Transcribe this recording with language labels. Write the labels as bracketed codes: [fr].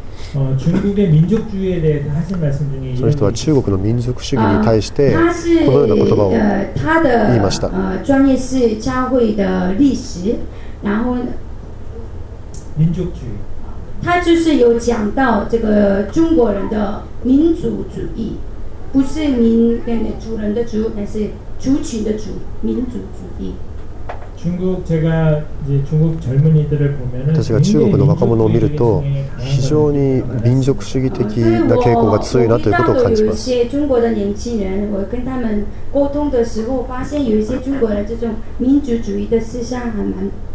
[ja] その人は中国の民族主義に対してこのような言葉を言いました。 [zh] 专业是教会的历史，然后民族主义，他就是有讲到这个中国人的民族主义，不是民那个主人的主，而是族群的主，民族主义。 [ko] 中国，제가이제중국젊은이들을보면 [ja] 은，私が中国の若者を見ると非常に民族主義的な傾向が強いなということを感じます。 [zh] 有些中国的年轻人，我跟他们沟通的时候，发现有一些中国人这种民族主义的思想还蛮。